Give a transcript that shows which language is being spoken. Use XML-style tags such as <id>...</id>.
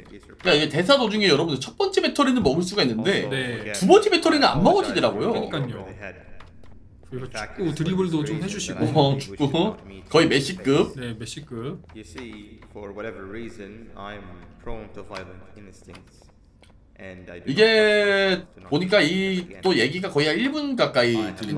<ko>그러니까 이게 대사 도중에 여러분들 첫 번째 배터리는 먹을 수가 있는데 네. 두 번째 배터리는 안 먹어지더라고요. 그러니까요. 축구 드리블도 좀 해주시고 축구 거의 메시급. 네 메시급.</ko> <en>You see, for whatever reason, I'm prone to violent instincts.</en> <ko>이게 보니까 이 또 얘기가 거의 한 1분 가까이 들린다고.</ko>